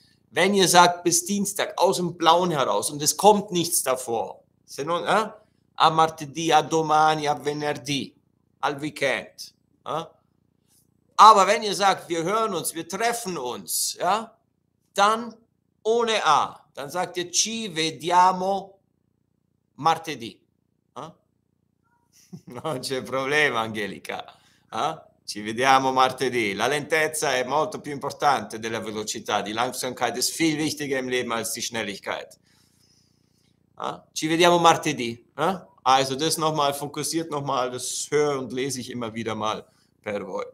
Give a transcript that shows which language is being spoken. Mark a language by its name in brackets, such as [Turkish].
[German] Wenn ihr sagt, bis Dienstag, aus dem Blauen heraus, und es kommt nichts davor, [Italian] se non, a martedì, a domani, a venerdì, al weekend. [German] Aber wenn ihr sagt, wir hören uns, wir treffen uns, dann ohne a, dann sagt ihr, [Italian] ci vediamo martedì. Non c'è problema, Angelica. Ci vediamo martedì. La lentezza è molto più importante della velocità. [German] Die Langsamkeit ist viel wichtiger im Leben als die Schnelligkeit. [Italian] Ci vediamo martedì. [German] Also, das nochmal, fokussiert nochmal, das höre und lese ich immer wieder mal [Italian] per voi.